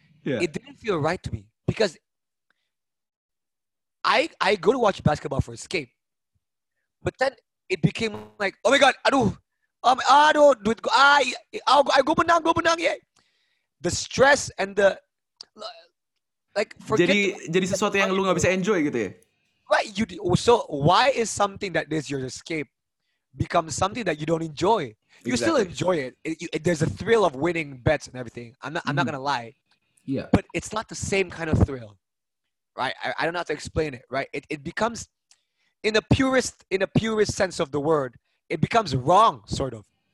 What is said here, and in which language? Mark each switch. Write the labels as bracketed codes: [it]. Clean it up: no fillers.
[en] Yeah. It didn't feel right to me because I go to watch basketball for escape, but then it became like, oh my God, I go menang, yeah. The stress and the, like, forget. [id] Jadi sesuatu yang lu gak bisa enjoy gitu ya? [en] Right. So why is something that is your escape become something that you don't enjoy? You exactly. still enjoy it. There's a thrill of winning bets and everything. I'm not gonna lie. Yeah. But it's not the same kind of thrill, right? I don't have to explain it, right? It becomes, in the purest sense of the word, it becomes wrong, sort of.